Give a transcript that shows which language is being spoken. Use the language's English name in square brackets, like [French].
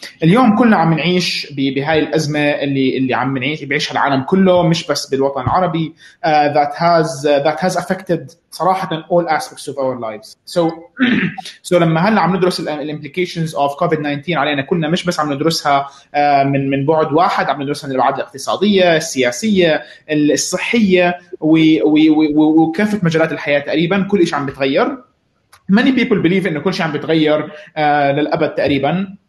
[Arabic] اليوم كلنا عم نعيش بهاي الأزمة اللي عم نعيش بعيشها العالم كله, مش بس بالوطن العربي. [English] That has affected [Arabic] صراحة [English] all aspects of our lives. [Arabic] So لما هلا عم ندرس الـ [English] implications of COVID-19 [Arabic] علينا كلنا, مش بس عم ندرسها من بعد واحد, عم ندرسها من الأبعاد الاقتصادية, السياسية, الصحية, وكافة مجالات الحياة تقريبا. كل إشي عم بتغير. [English] Many people believe [Arabic] إنه كل شيء عم بتغير للأبد تقريبا.